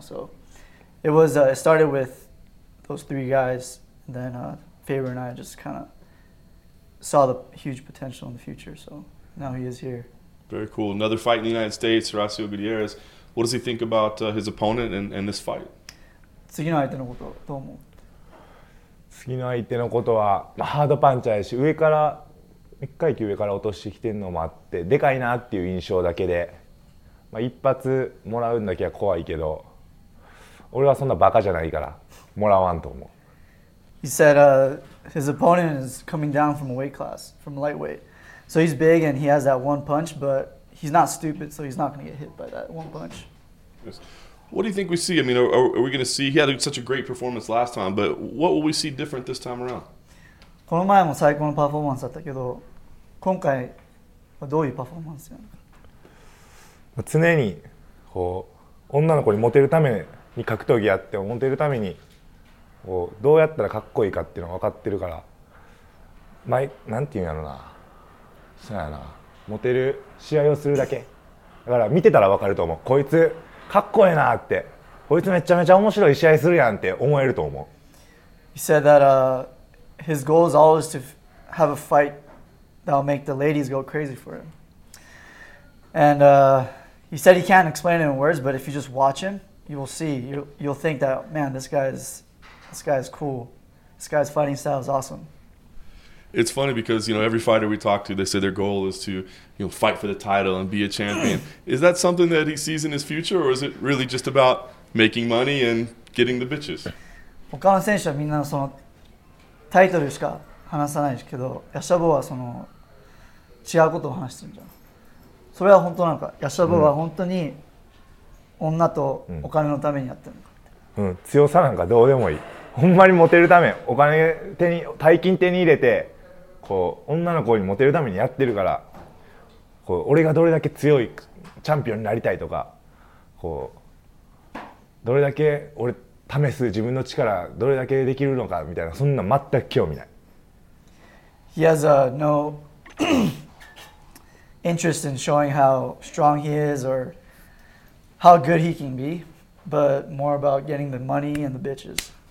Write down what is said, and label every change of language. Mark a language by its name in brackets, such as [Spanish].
[English] So it was, it started with those three guys. And then Faber and I just kind of saw the huge potential in the future. So now he is here. Very cool. Another fight in the United States, Horacio Gutierrez. What does he think about his opponent and this fight? [Japanese] 次の相手のことどう思う？次の相手のことは、まあ、ハードパンチャーやし、上から一回級上から落としてきてるのもあって、でかいなっていう印象だけで、まあ、一発もらうんだけは怖いけど、俺はそんなバカじゃないからもらわんと思う。 [English] He said his opponent is coming down from a weight class, from lightweight. So he's big and he has that one punch, but he's not stupid, so he's not going to get hit by that one punch. Yes. What do you think we see? I mean, are we going to see? He had such a great performance last time, but what will we see different this time around? [Japanese] この前も最高のパフォーマンスだったけど、今回はどういうパフォーマンスなのか。常にこう女の子にモテるために格闘技やって、モテるためにこうどうやったらかっこいいかっていうのが分かってるから、前なんていうんやろな、そうやな、モテる試合をするだけ。だから見てたら分かると思う。こいつ。かっこいいなって、こいつめちゃめちゃ面白い試合するやんって思えると思う。 [English] He said that his goal is always to have a fight that will make the ladies go crazy for him. And he said he can't explain it in words, but if you just watch him, you will see. You'll think that, man, this guy is cool. This guy's fighting style is awesome. It's funny because, you know, every fighter we talk to, they say their goal is to, you know, fight for the title and be a champion. Is that something that he sees in his future, or is it really just about making money and getting the bitches? [Japanese] 他の選手はみんなそのタイトルしか話さないけど、ヤシャボはその違うことを話してるじゃん。それは本当なのか、ヤシャボは本当に女とお金のためにやってるのか。強さなんかどうでもいい。ほんまにモテるため、お金手に、大金手に入れて、こう女の子にモテるためにやってるから、こう俺がどれだけ強いチャンピオンになりたいとか、こうどれだけ俺試す自分の力どれだけできるのかみたいな、そんな全く興味ない。 [English] He has no interest in showing how strong he is or how good he can be, but more about getting the money and the bitches.